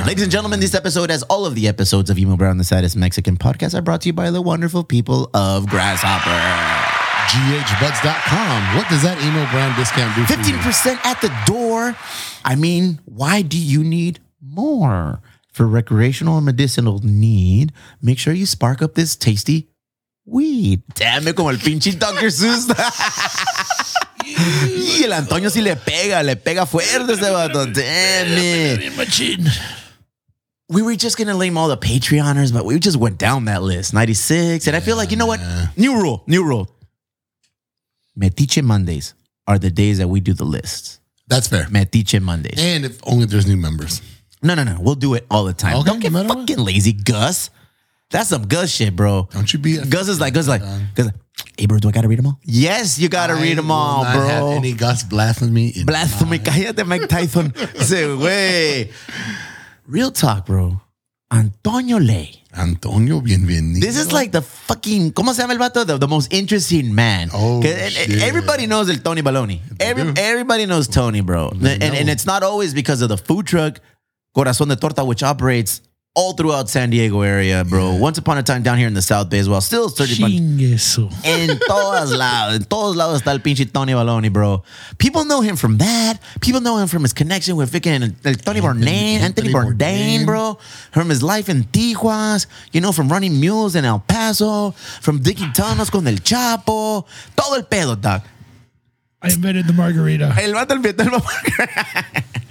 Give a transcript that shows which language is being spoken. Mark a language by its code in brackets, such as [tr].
[en] Ladies and gentlemen, this episode, as all of the episodes of Emo Brown, the Saddest Mexican Podcast, are brought to you by the wonderful people of Grasshopper. GHBuds.com. What does that Emo Brown discount do for 15% you? At the door. I mean, why do you need more? For recreational and medicinal need, make sure you spark up this tasty weed. Damn it, [es] como el pinche Dr. Seuss. Y el Antonio sí le pega fuerte ese vato. [en] Damn it. We were just going to name all the Patreoners, but we just went down that list. 96. And I feel like, you know what? New rule. Metiche Mondays are the days that we do the lists. That's fair. Metiche Mondays. And if only there's new members. No. We'll do it all the time. Okay, don't get fucking lazy, Gus. That's some Gus shit, bro. Don't you be a Gus is like, Gus is like, Gus like, hey, bro, do I got to read them all? Yes, you got to read them all, not bro. I have any Gus blasphemy. Blasphemy. Cállate, Mike Tyson. Say, wait. Real talk, bro. Antonio Ley. [es] Antonio, bienvenido. [en] This is like the fucking, [es] ¿cómo se llama el vato? [en] The most interesting man. Oh, shit. Everybody knows el Tony Baloney. Everybody knows Tony, bro. And it's not always because of the food truck, Corazón de Torta, which operates all throughout San Diego area, bro. Yeah. Once upon a time down here in the South Bay as well. Still 30 bucks. [es] En todos lados está el pinche Tony Baloney, bro. [en] People know him from that. People know him from his connection with Vic and Anthony Bourdain, bro. From his life in Tijuas. You know, from running mules in El Paso. From digging tunnels [es] con el Chapo. Todo el pedo, doc. [en] I invented the margarita. [es] El vato invitó el margarita.